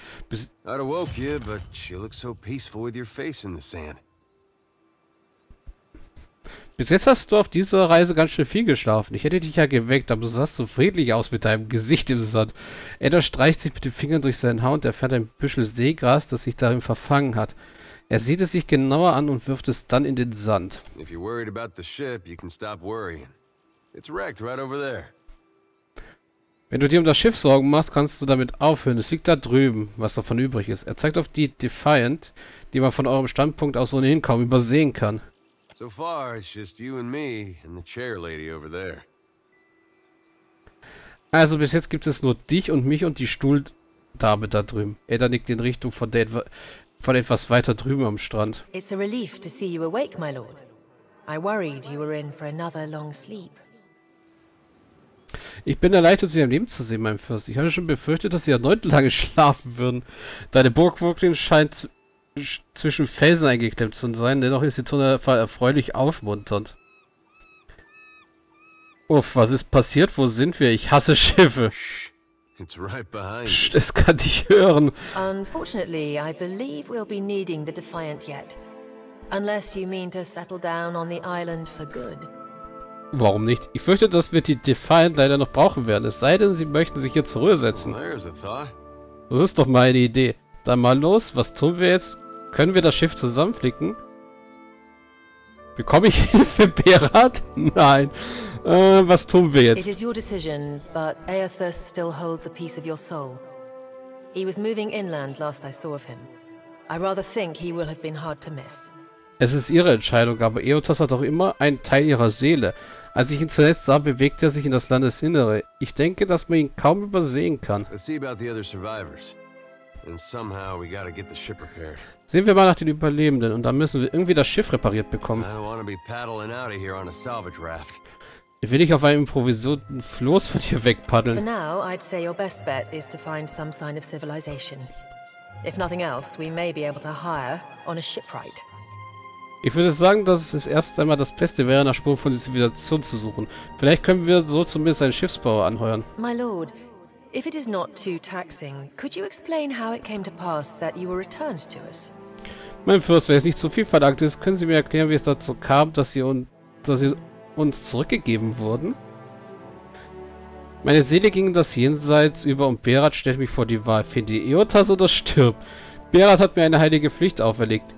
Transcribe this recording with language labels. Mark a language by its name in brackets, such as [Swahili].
[English] I'd awoke you, but she looks so peaceful with your face in the sand. [German] Bis jetzt hast du auf dieser Reise ganz schön viel geschlafen. Ich hätte dich ja geweckt, aber du sahst so friedlich aus mit deinem Gesicht im Sand. Edda streicht sich mit den Fingern durch seinen Haar und erfährt ein Büschel Seegras, das sich darin verfangen hat. Er sieht es sich genauer an und wirft es dann in den Sand. [English] If you're worried about the ship, you can stop worrying. It's wrecked right over there. [German] Wenn du dir um das Schiff Sorgen machst, kannst du damit aufhören. Es liegt da drüben, was davon übrig ist. Er zeigt auf die Defiant, die man von eurem Standpunkt aus ohnehin kaum übersehen kann. [English] So far, it's just you and me and the chair lady over there. [German] Also bis jetzt gibt es nur dich und mich und die Stuhldame da drüben. Edda nickt in Richtung von etwas weiter drüben am Strand. [English] It's a relief to see you awake, my lord. I worried you were in for another long sleep. [German] Ich bin erleichtert, Sie am Leben zu sehen, mein Fürst. Ich hatte schon befürchtet, dass Sie erneut lange schlafen würden. Deine Burg Wurklin scheint zwischen Felsen eingeklemmt zu sein, dennoch ist die Tunnel erfreulich aufmunternd. Uff, was ist passiert? Wo sind wir? Ich hasse Schiffe. Psst, das kann ich hören. [English] Unfortunately, I believe we'll be needing the Defiant yet. Unless you mean to settle down on the island for good. [German] Warum nicht? Ich fürchte, dass wir die Defiant leider noch brauchen werden. Es sei denn, sie möchten sich hier zur Ruhe setzen. Das ist doch meine Idee. Dann mal los, was tun wir jetzt? Können wir das Schiff zusammenflicken? Bekomme ich Hilfe, Berat? Nein. Was tun wir jetzt? [English] It is your decision, but Aethas still holds a piece of your soul. He was moving inland last I saw of him. I rather think he will have been hard to miss. [German] Es ist ihre Entscheidung, aber Aethas hat auch immer einen Teil ihrer Seele. Als ich ihn zuletzt sah, bewegte er sich in das Landesinnere. Ich denke, dass man ihn kaum übersehen kann. Sehen wir mal nach den Überlebenden und dann müssen wir irgendwie das Schiff repariert bekommen. Ich will nicht auf einem improvisierten Floß von hier wegpaddeln. [English] For now, I'd say your best bet is to find some sign of civilization. If nothing else, we may be able to hire on a shipwright. [German] Ich würde sagen, dass es erst einmal das Beste wäre, nach Spuren von Zivilisation zu suchen. Vielleicht können wir so zumindest einen Schiffsbauer anheuern. [English] My lord, if it is not too taxing, could you explain how it came to pass that you were returned to us? [German] Mein Fürst, wenn es nicht zu viel verlangt ist, können Sie mir erklären, wie es dazu kam, dass Sie uns zurückgegeben wurden? Meine Seele ging in das Jenseits über und Berat stellt mich vor die Wahl. Finde Aethas oder stirb? Berat hat mir eine heilige Pflicht auferlegt.